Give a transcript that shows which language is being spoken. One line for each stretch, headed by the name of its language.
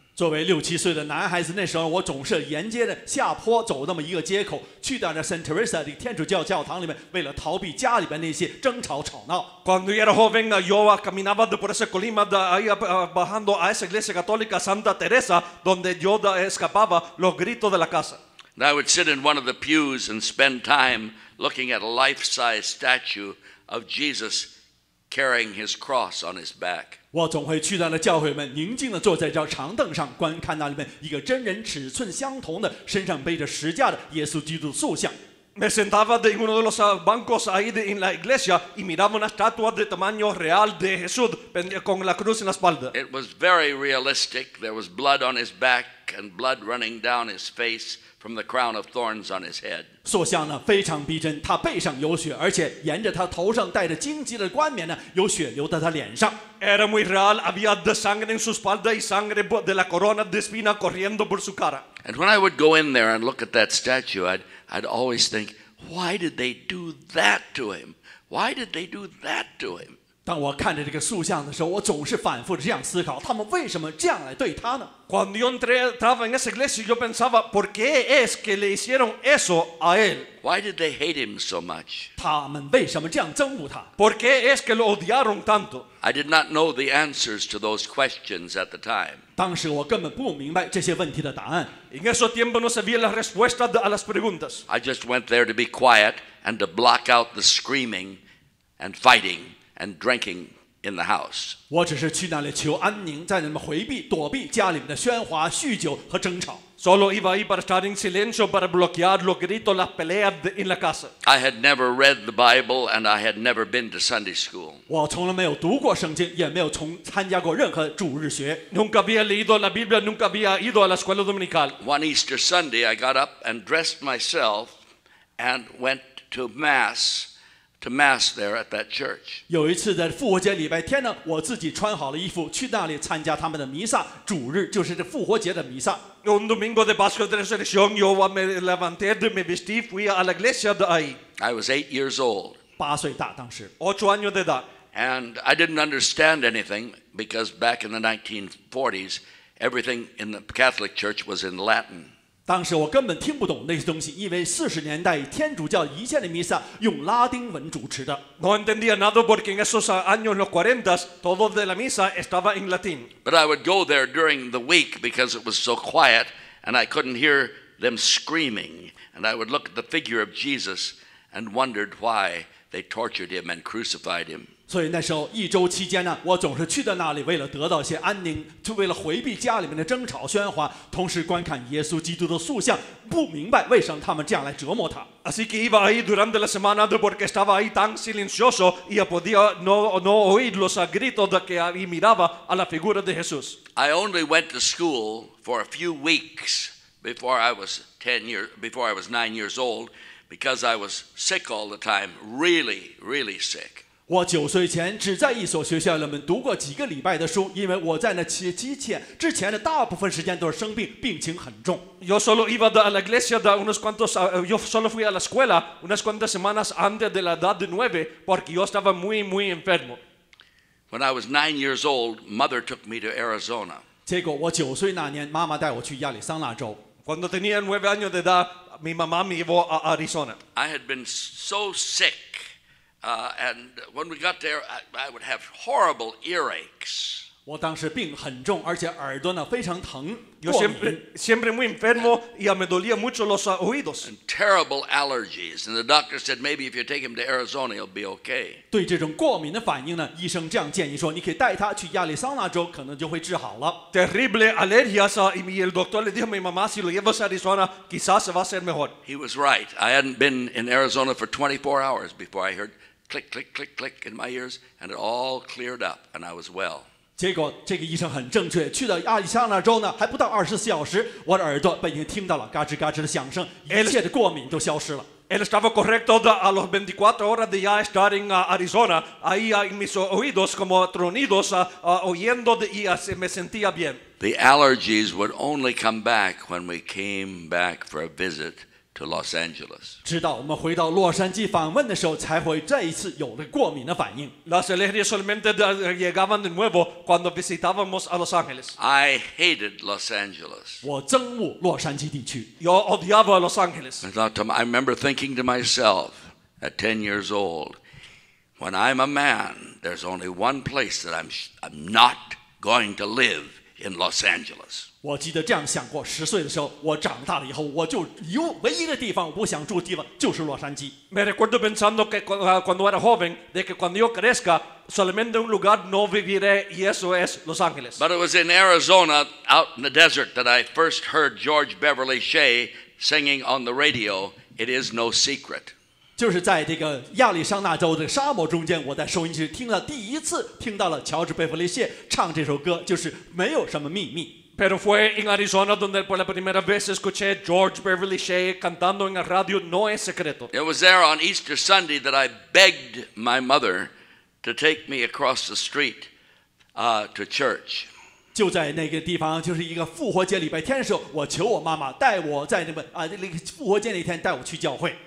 Chinese: 作为六七岁的男孩子，那时候我总是沿街的下坡走那么一个街口，去到那 Saint Teresa 的天主教教堂里面，为了逃避家里边那些争吵吵闹。
Spanish: Cuando era joven, yo caminaba por esa colina de ahí bajando a esa iglesia católica Santa Teresa, donde yo escapaba los gritos de la casa.
English: I would sit in one of the pews and spend time looking at a life-size statue of Jesus carrying his cross on his back.
Chinese: 我总会去到那教会们，宁静地坐在这长凳上，观看那里面一个真人尺寸相同的、身上背着十字架的耶稣基督塑像。
Spanish: Me sentaba en uno de los bancos ahí en la iglesia y miraba una estatua de tamaño real de Jesús con la cruz en la espalda.
English: It was very realistic. There was blood on his back and blood running down his face from the crown of thorns on his head.
Chinese: 塑像呢非常逼真，他背上有血，而且沿着他头上戴着荆棘的冠冕呢，有血流到他脸上。
Spanish: Era muy real. Había de sangre en su espalda y sangre de la corona de espina corriendo por su cara.
English: And when I would go in there and look at that statue, I'd always think, why did they do that to him? Why did they do that to him?
Chinese: 当我看着这个塑像的时候，我总是反复这样思考：他们为什么这样来对他呢
Spanish: ？Cuando yo entraba en esa iglesia, yo pensaba, ¿por qué es que le hicieron eso a él?
English: Why did they hate him so much?
Chinese: 他们为什么这样憎恶他
Spanish: ？¿Por qué es que lo odiaron tanto?
English: I did not know the answers to those questions at the time.
Chinese: 当时我根本不明白这些问题的答案。
Spanish: En ese tiempo no sabía la respuesta a las preguntas.
English: I just went there to be quiet and to block out the screaming and fighting and drinking in the house.
Chinese: 我只是去那里求安宁，在那里回避、躲避家里面的喧哗、酗酒和争吵。
Spanish: Solo iba ahí para estar en silencio para bloquear los gritos, las peleas en la casa.
English: I had never read the Bible and I had never been to Sunday school.
Chinese: 我从来没有读过圣经，也没有参加过任何主日学。
Spanish: Nunca había leído la Biblia, nunca había ido a la escuela dominical.
English: One Easter Sunday, I got up and dressed myself and went to mass. To mass there at that church.
Chinese: 有一次在复活节礼拜天呢，我自己穿好了衣服去那里参加他们的弥撒。主日就是这复活节的弥撒。
Spanish: Un domingo de Pascua de Resurrección, yo me levanté de mi vestido, fui a la iglesia de ahí.
English: I was 8 years old.
Chinese: 八岁大当时。
Spanish: 8 años de edad.
English: And I didn't understand anything because back in the 1940s, everything in the Catholic Church was in Latin.
Chinese: 当时我根本听不懂那些东西，因为四十年代天主教一线的弥撒用拉丁文主持的。
Spanish: No entendía nada porque en esos años los cuarentas todo de la misa estaba en latín.
English: But I would go there during the week because it was so quiet and I couldn't hear them screaming. And I would look at the figure of Jesus and wondered why they tortured him and crucified him.
Chinese: 所以那时候一周期间呢，我总是去到那里，为了得到一些安宁，就为了回避家里面的争吵喧哗，同时观看耶稣基督的塑像，不明白为什么他们这样来折磨他。
Spanish: Así que iba ahí durante la semana porque estaba ahí tan silencioso y podía no oír los gritos de que ahí miraba a la figura de Jesús.
English: I only went to school for a few weeks before I was 9 years old because I was sick all the time, really, really sick.
Chinese: 我九岁前只在一所学校里面读过几个礼拜的书，因为我在那之前的大部分时间都是生病，病情很重。
Spanish: Yo solo iba a la iglesia de unos cuantos, yo solo fui a la escuela unas cuantas semanas antes de la edad de 9 porque yo estaba muy muy enfermo.
English: When I was 9 years old, mother took me to Arizona.
Chinese: 结果我九岁那年，妈妈带我去亚利桑那州。
Spanish: Cuando tenía 9 años de edad, mi mamá me llevó a Arizona.
English: I had been so sick. And when we got there, I would have horrible earaches.
Chinese: 我当时病很重，而且耳朵呢非常疼。
Spanish: Yo siempre muy enfermo y me dolía mucho los oídos.
English: And terrible allergies. And the doctor said maybe if you take him to Arizona, he'll be okay.
Chinese: 对这种过敏的反应呢，医生这样建议说，你可以带他去亚利桑那州，可能就会治好了。
Spanish: Terrible alergias y el doctor le dijo a mi mamá si lo llevas a Arizona, quizás va a ser mejor.
English: He was right. I hadn't been in Arizona for 24 hours before I heard. Click, click, click, click in my ears, and it all cleared up, and I was well.
Chinese: 结果这个医生很正确，去到亚利桑那州呢，还不到24小时，我的耳朵已经听到了嘎吱嘎吱的响声，一切的过敏都消失了。
Spanish: Él estaba correcto a los 24 horas de ya estar en Arizona. Ahí en mis oídos como tronidos, oyendo de y me sentía bien.
English: The allergies would only come back when we came back for a visit. To Los Angeles.
Chinese: 直到我们回到洛杉矶访问的时候，才会再一次有了过敏的反应。
Spanish: Las alergias solamente llegaban de nuevo cuando visitábamos a Los Ángeles.
English: I hated Los Angeles.
Chinese: 我憎恶洛杉矶地区。
Spanish: Yo odiaba Los Ángeles.
English: I remember thinking to myself at 10 years old, when I'm a man, there's only one place that I'm not going to live in Los Angeles.
Chinese: 我记得这样想过，十岁的时候，我长大了以后，我就有唯一的地方，我不想住的地方就是洛杉矶。
Spanish: Me recuerdo pensando que cuando era joven, de que cuando yo crezca, solamente un lugar no viviré, y eso es Los Ángeles.
English: But it was in Arizona, out in the desert, that I first heard George Beverly Shea singing on the radio, It Is No Secret.
Chinese: 就是在这个亚利桑那州的沙漠中间，我在收音机听了第一次听到了乔治·贝弗利·谢唱这首歌，就是《没有什么秘密》。
Spanish: Pero fue en Arizona donde por la primera vez escuché George Beverly Shea cantando en la radio No Es Secreto.
English: It was there on Easter Sunday that I begged my mother to take me across the street, to church.
Chinese: 就在那个地方，就是一个复活节礼拜天的时候，我求我妈妈带我在那个复活节那天带我去教会。